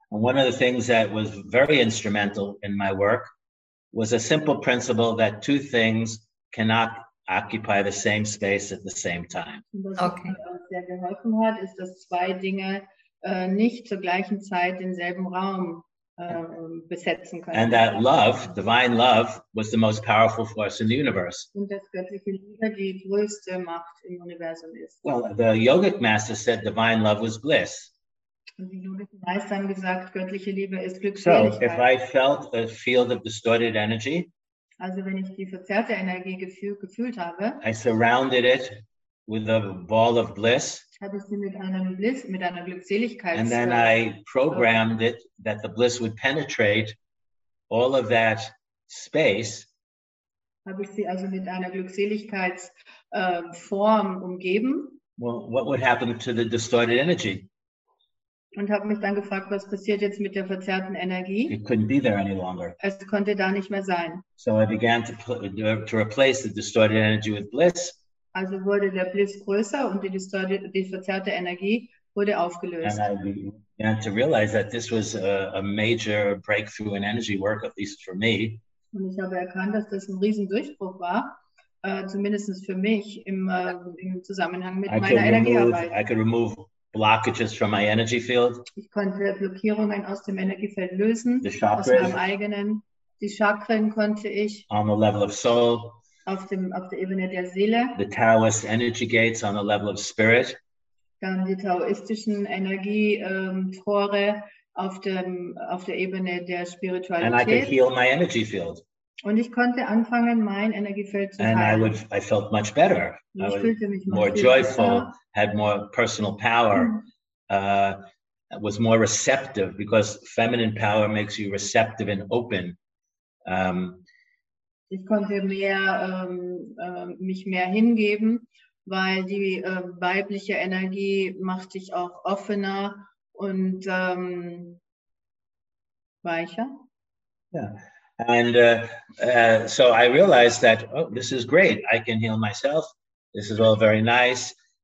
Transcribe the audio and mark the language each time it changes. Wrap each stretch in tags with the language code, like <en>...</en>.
<en>And one of the things that was very instrumental in my work was a simple principle that two things cannot occupy the same space at the same time. Okay.</en> <de>Was sehr geholfen hat, ist, dass zwei Dinge nicht zur gleichen Zeit denselben Raum besetzen können.</de> <en>And that love, divine love, was the most powerful force in the universe.</en> <de>Und das göttliche Liebe, die größte Macht im Universum ist.</de> <en>Well, the yogic master said divine love was bliss.</en> <de>Und die yogischen Meister haben gesagt, göttliche Liebe ist Glückseligkeit.</de> <en>So, if I felt a field of distorted energy,</en> <de>also wenn ich die verzerrte Energie gefühlt habe,</de> <en>I surrounded it with a ball of bliss.</en> <de>Habe ich sie mit einem Bliss, mit einer Glückseligkeit.</de> <en>And then I programmed it that the bliss would penetrate all of that space.</en> <de>Habe ich sie also mit einer Glückseligkeitsform umgeben.</de> <en>Well, what would happen to the distorted energy?</en> <de>Und habe mich dann gefragt, was passiert jetzt mit der verzerrten Energie?</de> <en>It couldn't be there any longer.</en> <de>Es konnte da nicht mehr sein.</de> <en>So I began to replace the distorted energy with bliss.</en> <de>Also wurde der Bliss größer und die verzerrte Energie wurde aufgelöst.</de> <en>And I began to realize that this was a major breakthrough in energy work, at least for me.</en> <de>Und ich habe erkannt, dass das ein Riesendurchbruch war, zumindest für mich im Zusammenhang mit meiner Energiearbeit.</de> <en>I could remove blockages from my energy field.</en> <de>Ich konnte Blockierungen aus dem Energiefeld lösen.</de> <en>The chakras,</en> <de>aus meinem eigenen. Die Chakren konnte ich.</de> <en>On the level of soul.</en> <de>Auf der Ebene der Seele.</de> <en>The Taoist energy gates on the level of spirit.</en> <de>Dann die taoistischen Energie Tore auf der Ebene der Spiritualität.</de> <en>And I could heal my energy field.</en> <de>Und ich konnte anfangen, mein Energiefeld zu heilen.</de> <en>I felt much better.</en> <de>Ich fühlte mich</de> <en>more joyful,</en> <de>besser.</de> <en>Had more personal power. Was more receptive, because feminine power makes you receptive and open.</en> <de>Ich konnte mehr mich mehr hingeben, weil die weibliche Energie macht dich auch offener und weicher.</de> <en>Yeah, and so I realized that, oh, this is great. I can heal myself. This is all very nice.</en>